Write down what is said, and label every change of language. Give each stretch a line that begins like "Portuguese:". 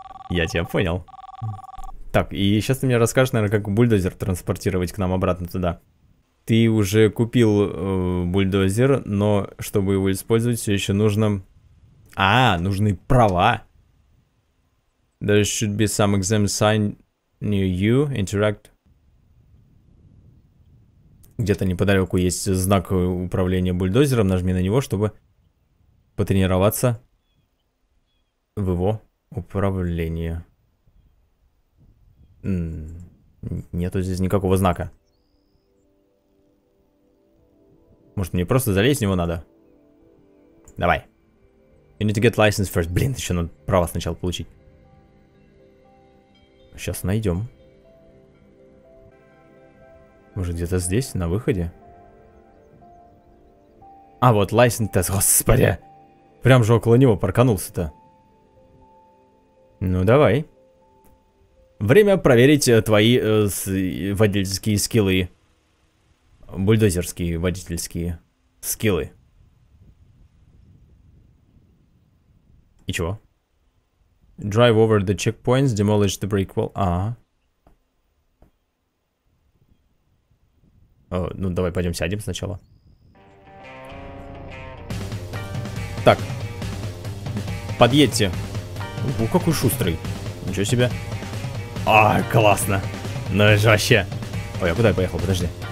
Russian: Я тебя понял. Так, и сейчас ты мне расскажешь, наверное, как бульдозер транспортировать к нам обратно туда. Ты уже купил бульдозер, но чтобы его использовать, все еще нужно... А, нужны права.
English: There should be some exam sign near you. Interact.
Russian: Где-то неподалеку есть знак управления бульдозером. Нажми на него, чтобы потренироваться в его управлении. Нету здесь никакого знака. Может, мне просто залезть в него надо? Давай.
English: You need to get license first.
Russian: Блин, еще надо право сначала получить. Сейчас найдем. Может, где-то здесь, на выходе? А, вот license test, господи. Прям же около него парканулся-то. Ну, давай. Время проверить твои водительские скиллы. Бульдозерские водительские скиллы. И чего?
English: Drive over the checkpoints, demolish the brick wall.
Russian: А. Ну, давай пойдем сядем сначала. Так. Подъедьте. Ух, какой шустрый. Ничего себе. А, классно. Ну, это же вообще. Ой, а куда я поехал? Подожди.